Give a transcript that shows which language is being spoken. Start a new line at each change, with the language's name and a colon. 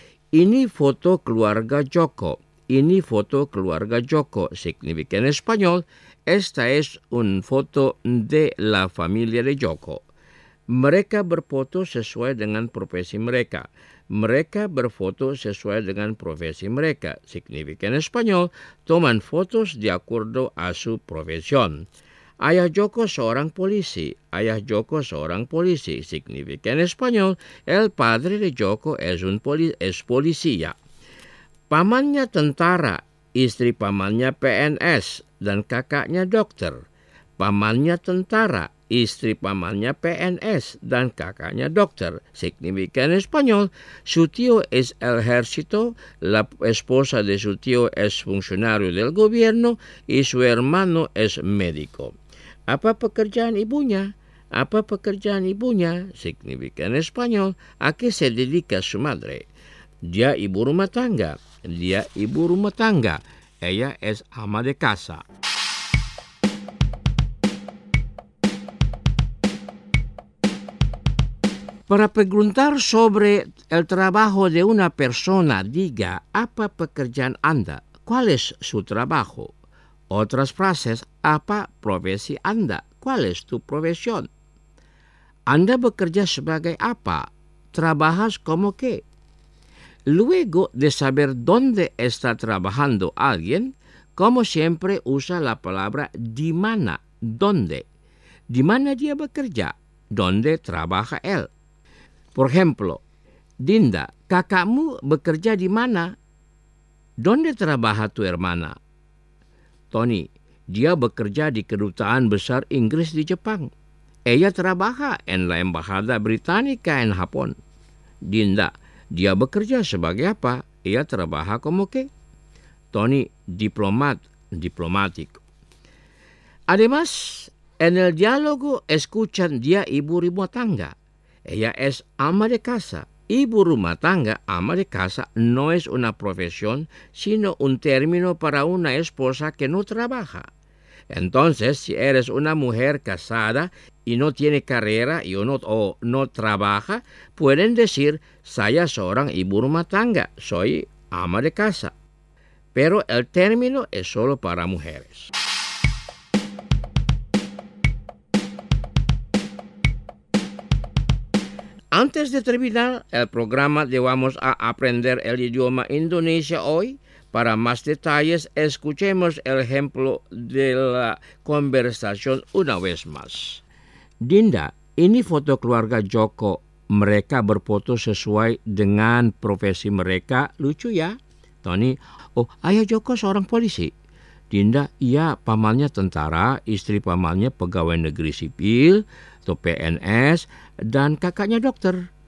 Indonesian: Ini foto keluarga Joko.
Spanish: Ini foto keluarga Joko significa en español, esta es una foto de la familia de Joko.
Indonesian: Mereka berfoto sesuai dengan profesi mereka. Mereka berfoto sesuai dengan profesi mereka.
Spanish: Significa en español, toman fotos de acuerdo a su profesión.
Indonesian: Ayah Joko seorang polisi. Ayah Joko seorang polisi.
Spanish: Significa en español, el padre de Joko es policía.
Indonesian: Pamannya tentara. Istri pamannya PNS. Dan kakaknya dokter. Pamannya tentara. Istri pamannya PNS dan kakaknya dokter.
Spanish: Significa en español, su tío es el ejército, la esposa de su tío es funcionario del gobierno y su hermano es médico.
Indonesian: Apa pekerjaan ibunya? Apa pekerjaan ibunya?
Spanish: Significa en español, ¿a qué se dedica su madre?
Indonesian: Dia ibu rumah tangga. Dia ibu rumah tangga.
Spanish: Ella es ama de casa. Para preguntar sobre el trabajo de una persona, diga,
Indonesian: ¿apa pekerjaan anda?
Spanish: ¿Cuál es su trabajo? Otras frases,
Indonesian: ¿apa profesi anda?
Spanish: ¿Cuál es tu profesión?
Indonesian: ¿Anda bekerja sebagai apa?
Spanish: ¿Trabajas como qué? Luego de saber dónde está trabajando alguien, como siempre usa la palabra di mana, ¿dónde?
Indonesian: ¿Di mana dia bekerja?
Spanish: ¿Dónde trabaja él? Por ejemplo,
Indonesian: Dinda, kakakmu bekerja di mana?
Spanish: ¿Dónde trabaja tu hermana?
Indonesian: Tony, dia bekerja di kedutaan besar Inggris di Jepang.
Spanish: Ella trabaja en la embajada británica en Japón.
Indonesian: Dinda, dia bekerja sebagai apa?
Spanish: Ella trabaja como qué? Tony, diplomat, diplomático. Además, en el diálogo escuchan
Indonesian: dia ibu rumah tangga.
Spanish: Ella es ama de casa.
Indonesian: Ibu rumah tangga,
Spanish: ama de casa, no es una profesión, sino un término para una esposa que no trabaja. Entonces, si eres una mujer casada y no tiene carrera no trabaja, pueden decir,
Indonesian: saya seorang ibu rumah tangga,
Spanish: soy ama de casa. pero el término es solo para mujeres. Antes de terminar el programa, vamos a aprender el idioma indonesio hoy. Para más detalles, escuchemos el ejemplo de la conversación una vez más.
Indonesian: Dinda, ini foto keluarga Joko. Mereka berfoto sesuai dengan profesi mereka. Lucu ya. Tony, oh, ayah Joko seorang polisi. Dinda, iya, pamannya tentara, istri pamannya pegawai negeri sipil atau PNS, dan kakaknya dokter.